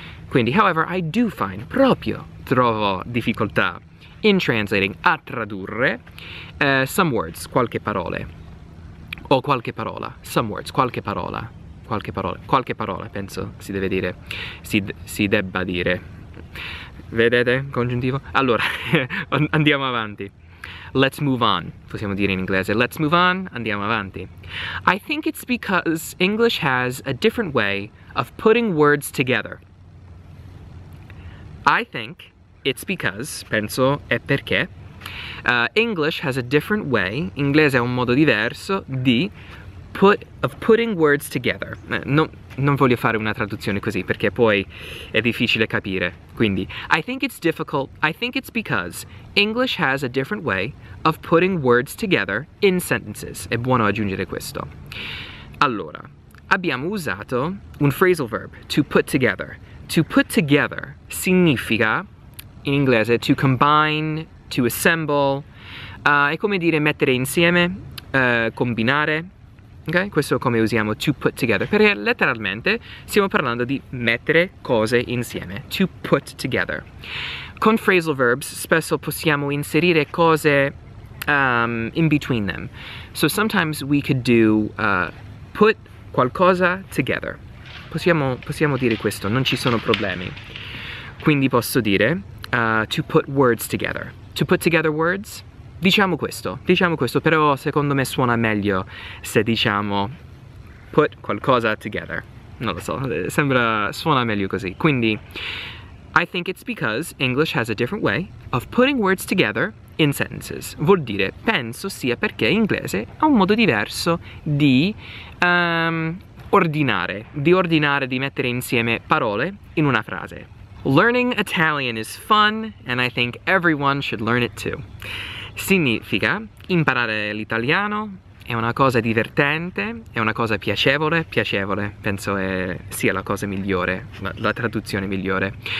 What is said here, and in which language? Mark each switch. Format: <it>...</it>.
<it>Quindi,</it> <en>however, I do find,</en> <it>proprio. Trovo difficoltà in translating, a tradurre,</it> <en>some words,</en> <it>qualche parole, o qualche parola, some words, qualche parola, qualche parola, qualche parola, penso si deve dire, si debba dire, vedete, congiuntivo? Allora, andiamo avanti,</it> <en>let's move on,</en> <it>possiamo dire in inglese, let's move on, andiamo avanti.</it> <en>I think it's because English has a different way of putting words together. I think it's because,</en> <it>penso, è perché,</it> <en>English has a different way,</en> <it>inglese ha un modo diverso, di</it> <en>putting words together.</en> <it>Non voglio fare una traduzione così, perché poi è difficile capire. Quindi, I think it's because English has a different way of putting words together in sentences. È buono aggiungere questo. Allora, abbiamo usato un phrasal verb, to put together. To put together significa, in inglese,</it> <en>to combine, to assemble,</en> <it>è come dire mettere insieme, combinare, ok? Questo è come usiamo to put together, perché letteralmente stiamo parlando di mettere cose insieme, to put together. Con phrasal verbs spesso possiamo inserire cose</it> <en>in between them. So sometimes we could do put qualcosa together.</en> <it>Possiamo dire questo, non ci sono problemi. Quindi posso dire,</it> <en>to put words together. To put together words?</en> <it>Diciamo questo, però secondo me suona meglio se diciamo</it> <en>put qualcosa together.</en> <it>Non lo so, sembra, suona meglio così.</it> <en>Quindi, I think it's because English has a different way of putting words together in sentences.</en> <it>Vuol dire, penso sia perché inglese ha un modo diverso di ordinare, di mettere insieme parole in una frase.</it> <en>Learning Italian is fun, and I think everyone should learn it too.</en> <it>Significa, imparare l'italiano è una cosa divertente, è una cosa piacevole, piacevole, penso sia la cosa migliore, la traduzione migliore.</it>